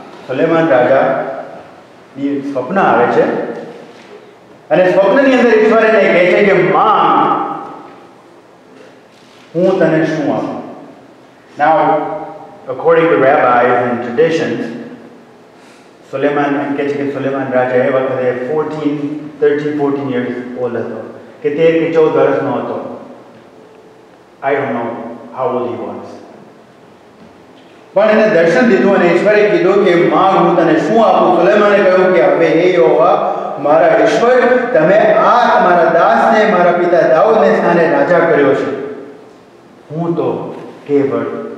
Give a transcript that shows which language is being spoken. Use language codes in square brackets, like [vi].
[gu] સુલેમાન રાજા ની સ્વપ્ન આવે છે અને સ્વપ્નની અંદર ઈશ્વર એને કહે છે કે માં હું તને શું આપું [en] Now, according to rabbis and traditions, Suleiman, and Ketchikin Suleiman Raja, he was 13-14 years old. I don't know how old he was. [gu] પણ એને દર્શન દીધું અને ઈશ્વરે કીધું કે માં હું તને શું આપું સુલેમાને કહ્યું કે હવે હે યહોવા મારા ઈશ્વર તમે આ મારા દાસને મારા પિતા દાઉદને સ્થાને રાજા કર્યો છે હું તો કેવળ